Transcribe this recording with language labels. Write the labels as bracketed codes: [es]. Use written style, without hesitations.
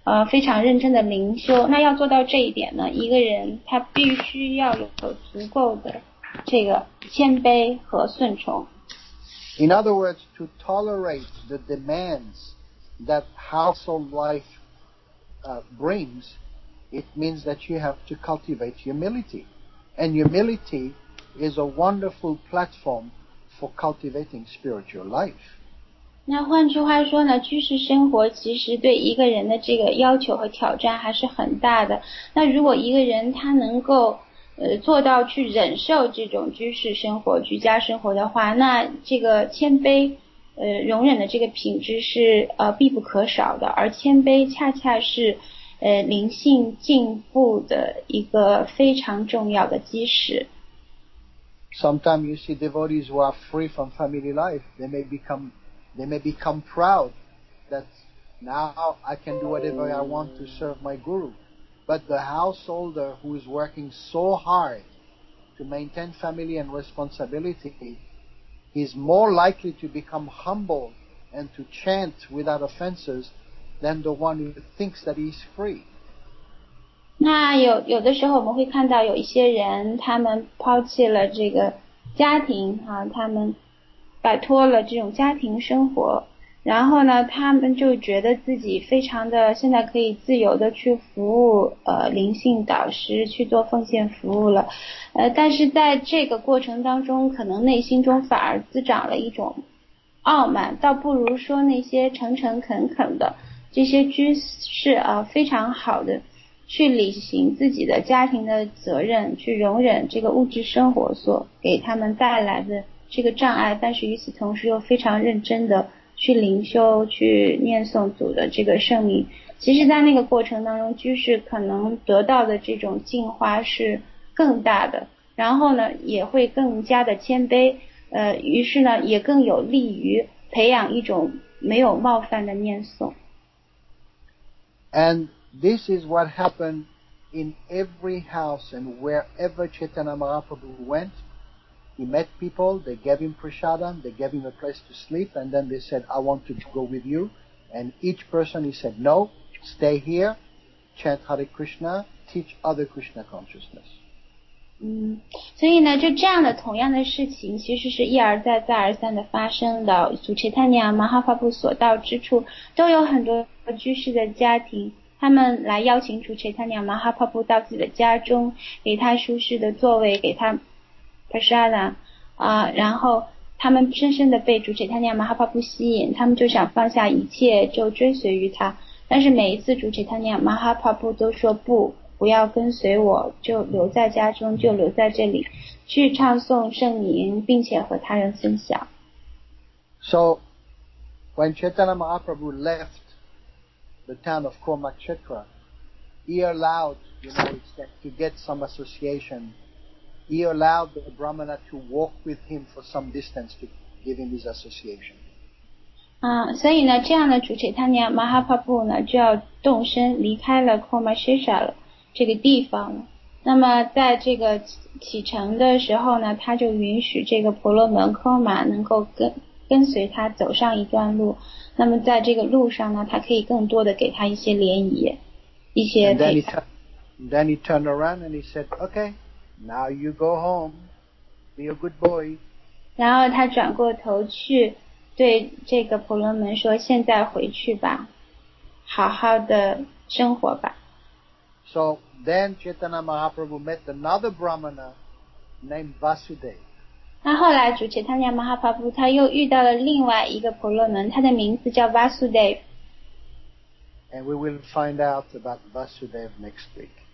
[zh] 非常认真的灵修，那要做到这一点呢，一个人他必须要有足够的这个谦卑和顺从。 [en] In other words, to tolerate the demands that household life brings, it means that you have to cultivate humility. And humility is a wonderful platform for cultivating spiritual life. [zh] 那换句话说呢，居士生活其实对一个人的这个要求和挑战还是很大的。那如果一个人他能够做到去忍受这种居士生活、居家生活的话，那这个谦卑容忍的这个品质是必不可少的，而谦卑恰恰是灵性进步的一个非常重要的基石。 [en] Sometimes you see devotees who are free from family life, they may become proud that now I can do whatever I want to serve my guru. But the householder who is working so hard to maintain family and responsibility, he's more likely to become humble and to chant without offenses than the one who thinks that he's free. [zh] 那有的时候我们会看到有一些人他们抛弃了这个家庭啊，他们摆脱了这种家庭生活，然后呢他们就觉得自己非常的现在可以自由的去服务灵性导师，去做奉献服务了，但是在这个过程当中可能内心中反而滋长了一种傲慢，倒不如说那些诚诚恳恳的这些居士啊，非常好的去履行自己的家庭的责任，去容忍这个物质生活所给他们带来的这个障碍，但是与此同时又非常认真的去灵修，去念诵祖的这个圣名。其实在那个过程当中，居士可能得到的这种净化是更大的，然后呢也会更加的谦卑，于是呢也更有利于培养一种没有冒犯的念诵。 [en] And this is what happened in every house, and wherever Chaitanya Mahaprabhu went,He met people, they gave him prasadam, they gave him a place to sleep, and then they said, I want to go with you. And each person, he said, no, stay here, chant Hare Krishna, teach other Krishna consciousness. [zh] 所以呢就这样的同样的事情其实是一而再再而三的发生的，祖切坦尼亚马哈法布所到之处都有很多居士的家庭，他们来邀请祖切坦尼亚马哈法布到自己的家中，给他舒适的座位，给他 prasadam, 然后他们深深地被主持他尼亚马哈帕布吸引，他们就想放下一切就追随于他，但是每一次主持他尼亚马哈帕布都说不，不要跟随我，就留在家中，就留在这里去唱诵圣名，并且和他人分享。 [en] So when Chaitanya Mahaprabhu left the town of Kurukshetra, he allowed, you know, to get some associationHe allowed the Brahmana to walk with him for some distance to give him his association. [zh] 所以呢，这样的主持他尼亚马哈帕布呢，就要动身离开了 Kurukshetra 这个地方了。那么在这个启程的时候呢，他就允许这个婆罗门科玛能够跟随他走上一段路。那么在这个路上呢，他可以更多的给他一些联谊，一些陪伴。 [en] Then he turned around and he said, "Okay." Now you go home, be a good boy. [zh] 然后他转过头去对这个婆罗门说，现在回去吧，好好的生活吧。 [en] So then Chaitanya Mahaprabhu met another Brahmana named Vasudev. [zh] 那后来主持他尼亚马哈帕布他又遇到了另外一个婆罗门，他的名字叫 Vasudev. [en] And we will find out about Vasudev next week.